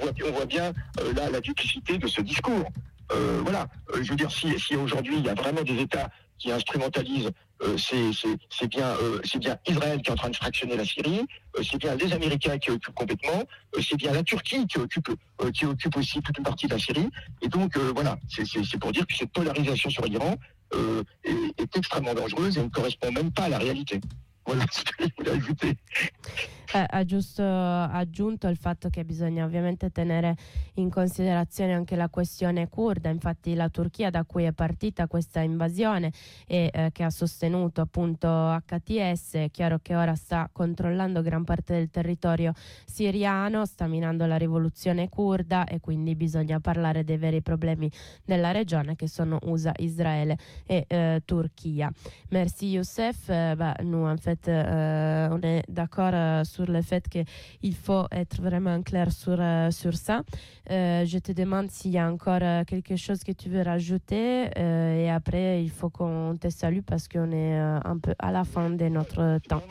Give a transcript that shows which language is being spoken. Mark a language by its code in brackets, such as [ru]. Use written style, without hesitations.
[fr] On voit bien là la duplicité de ce discours. Je veux dire, si aujourd'hui il y a vraiment des États qui instrumentalisent, c'est bien Israël qui est en train de fractionner la Syrie, c'est bien les Américains qui occupent complètement, c'est bien la Turquie qui occupe aussi toute une partie de la Syrie. Et donc c'est pour dire que cette polarisation sur l'Iran est extrêmement dangereuse et ne correspond même pas à la réalité. Voilà ce que je voulais ajouter. [it] Ha aggiunto il fatto che bisogna ovviamente tenere in considerazione anche la questione curda. Infatti la Turchia, da cui è partita questa invasione e che ha sostenuto appunto HTS, è chiaro che ora sta controllando gran parte del territorio siriano, sta minando la rivoluzione curda, e quindi bisogna parlare dei veri problemi della regione, che sono USA, Israele e Turchia. [fr] Merci Youssef. Nous en fait on est d'accord sur le fait qu'il faut être vraiment clair sur ça. Je te demande s'il y a encore quelque chose que tu veux rajouter, et après il faut qu'on te salue parce qu'on est un peu à la fin de notre temps.